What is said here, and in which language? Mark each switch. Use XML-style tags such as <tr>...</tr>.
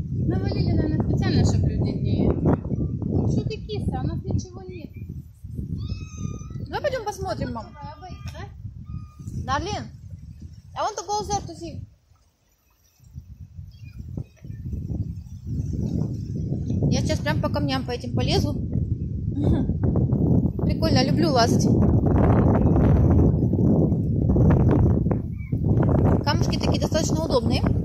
<ru>Навалили, наверное, специально, чтобы люди не... Ну что ты киса, у нас ничего нет. Давай пойдем посмотрим, мам.</ru> <en>Дарлин, I want to go there to see.</en> <ru>Я сейчас прям по камням по этим полезу. Прикольно, люблю лазать. Камушки такие достаточно удобные.</ru>